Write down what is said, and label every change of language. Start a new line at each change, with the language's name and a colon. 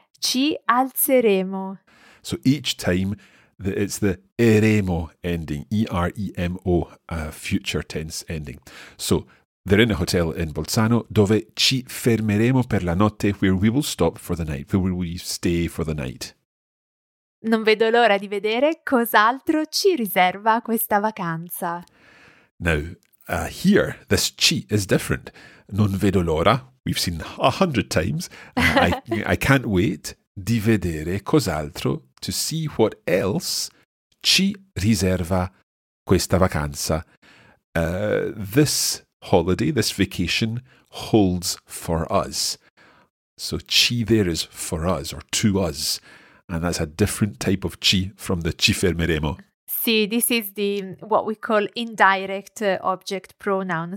Italian: Ci alzeremo.
English: So each time, it's the eremo ending, E-R-E-M-O, a future tense ending. So, they're in a hotel in Bolzano,
Italian: dove ci fermeremo per la notte,
English: where we will stop for the night, where we stay for the night.
Italian: Non vedo l'ora di vedere cos'altro ci riserva questa vacanza.
English: Now, here, this ci is different.
Italian: Non vedo l'ora,
English: we've seen 100 times, I can't wait
Italian: di vedere cos'altro,
English: to see what else
Italian: ci riserva questa vacanza.
English: This holiday, this vacation, holds for us. So ci there is for us or to us. And that's a different type of ci from the ci fermeremo. Sì, this is the what we call indirect object pronoun.